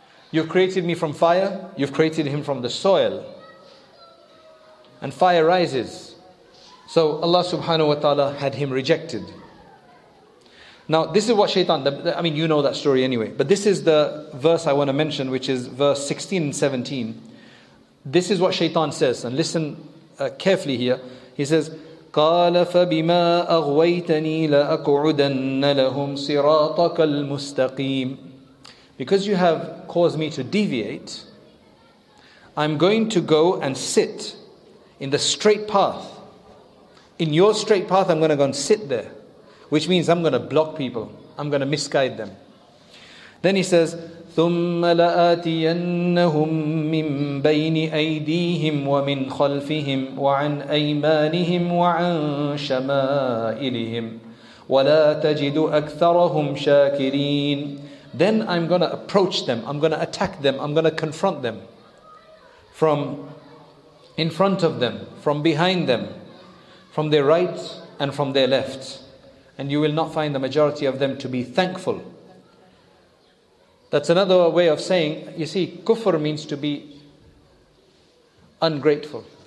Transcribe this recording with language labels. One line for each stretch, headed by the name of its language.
English: You've created me from fire, you've created him from the soil. And fire rises. So Allah subhanahu wa ta'ala had him rejected. Now this is what shaitan, you know that story anyway. But this is the verse I want to mention, which is verse 16 and 17. This is what shaitan says, and listen carefully here. He says,
Arabic: قَالَ فَبِمَا أَغْوَيْتَنِي لَأَقْعُدَنَّ لَهُمْ صِرَاطَكَ الْمُسْتَقِيمِ.
English: Because you have caused me to deviate, I'm going to go and sit in the straight path. In your straight path, I'm going to go and sit there. Which means I'm going to block people. I'm going to misguide them. Then he says,
Arabic: ثُمَّ لَآتِيَنَّهُمْ مِنْ بَيْنِ أَيْدِيهِمْ وَمِنْ خَلْفِهِمْ وَعَنْ أَيْمَانِهِمْ وَعَنْ شَمَائِلِهِمْ وَلَا تَجِدُ أَكْثَرَهُمْ شَاكِرِينَ.
English: Then I'm going to approach them. I'm going to attack them. I'm going to confront them. From in front of them, from behind them, from their right and from their left. And you will not find the majority of them to be thankful. That's another way of saying, you see, kufr means to be ungrateful.